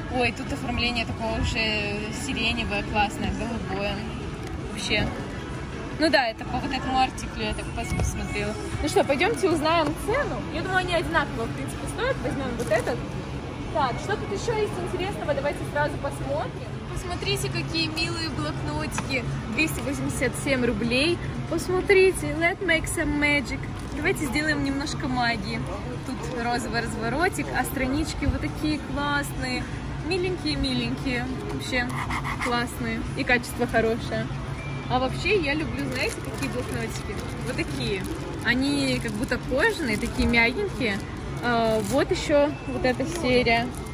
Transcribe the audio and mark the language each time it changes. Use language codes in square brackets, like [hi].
[ru] Ой, тут оформление такое уже сиреневое, классное, голубое. Вообще. Ну да, это по вот этому артиклю я так посмотрела. Ну что, пойдемте узнаем цену. Я думаю, они одинаково, в принципе, стоят. Возьмем вот этот. Так, что тут еще есть интересного? Давайте сразу посмотрим. Посмотрите, какие милые блокнотики. 287 рублей. Посмотрите, [en] let's make some magic. [ru] Давайте сделаем немножко магии. Тут розовый разворотик, а странички вот такие классные. Миленькие-миленькие. Вообще классные. И качество хорошее. А вообще я люблю, знаете, такие блокнотики? Вот такие. Они как будто кожаные, такие мягенькие. А, вот еще вот эта серия.